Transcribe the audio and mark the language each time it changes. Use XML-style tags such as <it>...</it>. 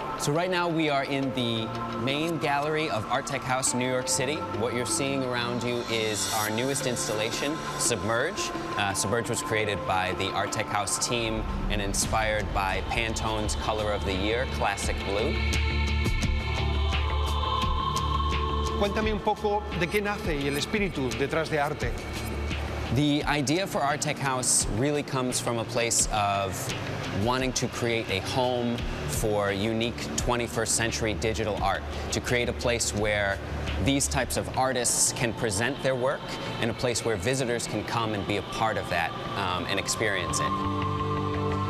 <en>So right now we are in the main gallery of Art Tech House New York City. What you're seeing around you is our newest installation, Submerge. Submerge was created by the Art Tech House team and inspired by Pantone's Color of the Year, Classic Blue.</en> <es>Cuéntame un poco de qué nace y el espíritu detrás de arte.</es> <en>The idea for Art Tech House really comes from a place of wanting to create a home for unique 21st century digital art, to create a place where these types of artists can present their work and a place where visitors can come and be a part of that and experience it.</en>